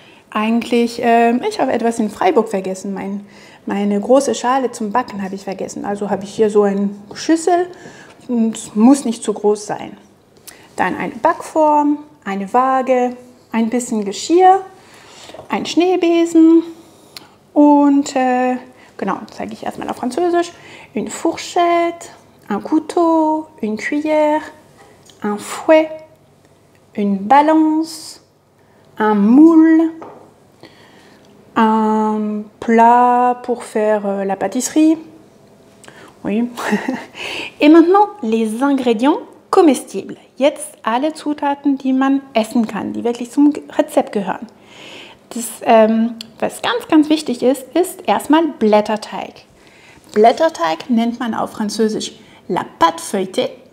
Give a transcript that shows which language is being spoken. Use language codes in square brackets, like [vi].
[de] Eigentlich, ich habe etwas in Freiburg vergessen. Meine große Schale zum Backen habe ich vergessen. Also habe ich hier so eine Schüssel und muss nicht zu groß sein. Dann eine Backform, eine Waage, ein bisschen Geschirr, ein Schneebesen. Und genau, zeige ich erstmal auf Französisch. [fr] Une fourchette, un couteau, une cuillère, un fouet, une balance, un moule, un plat pour faire la pâtisserie. Oui. Et maintenant, les ingrédients comestibles. [de] Jetzt alle Zutaten, die man essen kann, die wirklich zum Rezept gehören. Was ganz, ganz wichtig ist, ist erstmal Blätterteig. Blätterteig nennt man auf Französisch la pâte feuilletée.